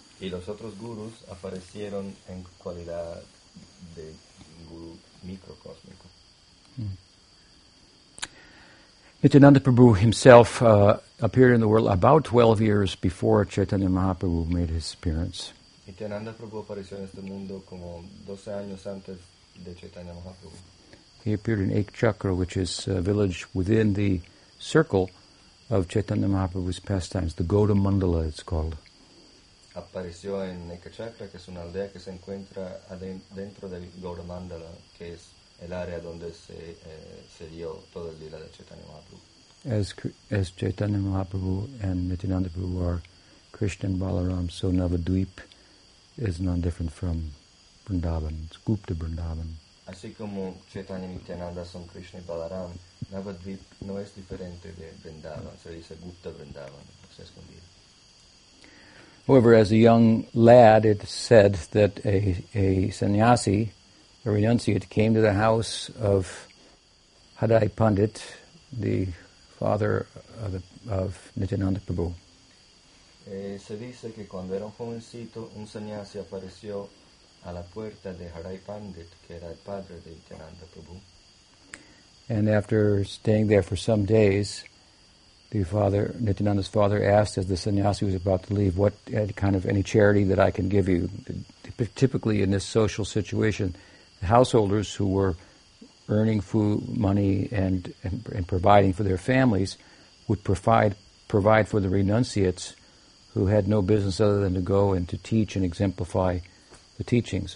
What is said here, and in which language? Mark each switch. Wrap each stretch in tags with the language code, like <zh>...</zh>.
<es>Y los otros gurus aparecieron en cualidad de guru microcosmico.</es> <en>Nityananda Prabhu himself appeared in the world about 12 years before Chaitanya Mahaprabhu made his appearance.</en> <es>Nityananda Prabhu apareció en este mundo como 12 años antes de Chaitanya Mahaprabhu.</es> <en>He appeared in Ek Chakra, which is a village within the circle of Chaitanya Mahaprabhu's pastimes, the Gaura Mandala, it's called.</en> <es>Apareció en Ek Chakra, que es una aldea que se encuentra dentro del Gaura Mandala, que es el área donde se dio todo el lila de Chaitanya Mahaprabhu.</es> <en>As Chaitanya Mahaprabhu and Nityananda Prabhu are Krishna and Balaram, so Navadvip is none different from Vrindavan, it's Gupta Vrindavan.</en> <es>Así como Chaitanya Nityananda son Krishna y Balaram, Navadvip no es diferente de Vrindavan, se dice Gupta Vrindavan, se escondía.</es> <en>However, as a young lad, it said that a sannyasi, a renunciate, came to the house of Hadai Pandit, the father of Nityananda Prabhu.</en> <es>Se dice que cuando era un jovencito, un sannyasi apareció a la puerta de Hadai Pandit, que era el padre de Nityananda Prabhu.</es> <en>And after staying there for some days, Nityananda's father asked, as the sannyasi was about to leave, what kind of any charity that I can give you. Typically in this social situation, the householders who were earning food, money, and providing for their families would provide for the renunciates who had no business other than to go and to teach and exemplify the teaching.</en>